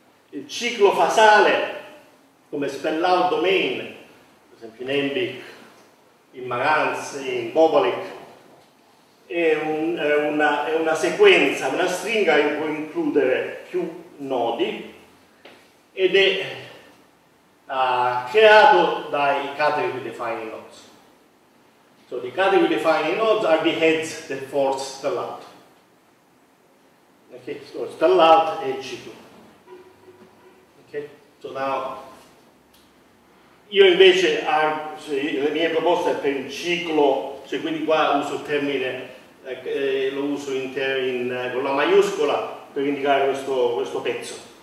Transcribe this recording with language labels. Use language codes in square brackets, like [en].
[it] Il ciclo fasale, come spell out domain, per esempio in Embic, in Marantz, in Bobolik, è una sequenza, una stringa che può includere più nodi ed è creato dai category defining nodes. [en] So the category defining nodes are the heads that force spell out. Okay, so [it] spell out è il ciclo. [en] Okay, so now [it] io invece le mie proposte per il ciclo, cioè quindi qua uso il termine, lo uso con la maiuscola per indicare questo pezzo.